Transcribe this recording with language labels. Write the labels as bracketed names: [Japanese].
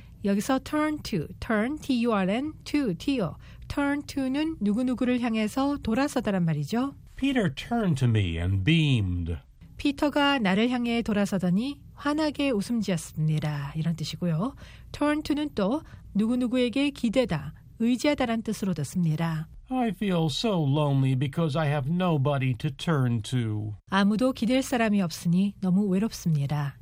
[Korean] 여기서 [English] turn to, turn, T-U-R-N, to, T-O. [Korean] Turn to는 누구누구를 향해서 돌아서다란 말이죠. [English] Peter turned to me and beamed. [Korean] 피터가 나를 향해 돌아서더니 환하게 웃음 지었습니다. 이런 뜻이고요. Turn to는 또 누구누구에게 기대다, 의지하다란 뜻으로도 씁니다. [English] I feel so lonely because I have nobody to turn to. [Korean] 아무도 기댈 사람이 없으니 너무 외롭습니다.